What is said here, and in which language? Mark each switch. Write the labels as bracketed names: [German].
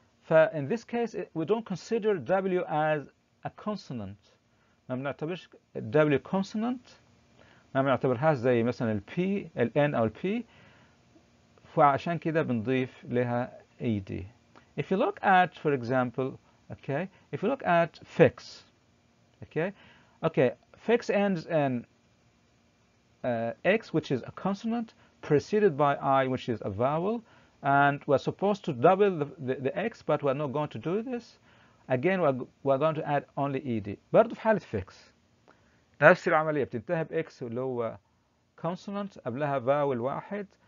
[English] ف in this case we don't consider W as a consonant. [Arabic] ما بنعتبرش W consonant, ما بنعتبرهاش زي مثلا ال P ال N او ال P, فعشان كده بنضيف لها ED. [English] If you look at for example, okay, if you look at fix, okay, fix ends in X, which is a consonant, preceded by I, which is a vowel, and we're supposed to double the X, but we're not going to do this. Again, we're going to add only ED. [Arabic] برضو في حالة fix, نفس العملية, بتنتهي بX اللي هو consonant, قبلها vowel واحد.